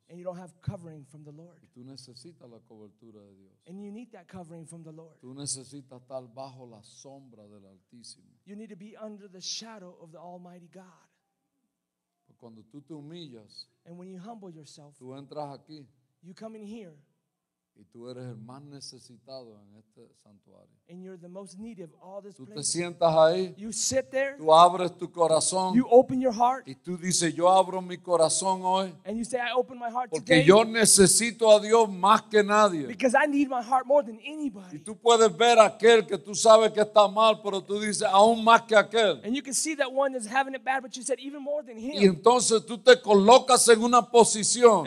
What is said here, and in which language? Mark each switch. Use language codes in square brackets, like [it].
[en] And you don't have covering from the Lord. [es] Tú necesitas la cobertura de Dios. [en] And you need that covering from the Lord. [es] Tú necesitas estar bajo la sombra del Altísimo. [en] You need to be under the shadow of the Almighty God. [es] Cuando tú te humillas, [en] and when you humble yourself, [es] tú entras aquí, [en] you come in here, [es] y tú eres el más necesitado en este santuario. [en] And you're the most needy of all this [es] tú [en] place. [es] Te sientas ahí, [en] you sit there. [es] Tú abres tu corazón, [en] you open your heart. [es] Y tú dices, yo abro mi corazón hoy, [en] and you say, I open my heart [es] porque [en] today. [es] Porque yo necesito a Dios más que nadie. [en] Because I need my heart more than anybody. [es] Y tú puedes ver aquel que tú sabes que está mal, pero tú dices, aún más que aquel. [en] And you can see that one that's having it bad, but you said, even more than him. [es] Y entonces tú te colocas en una posición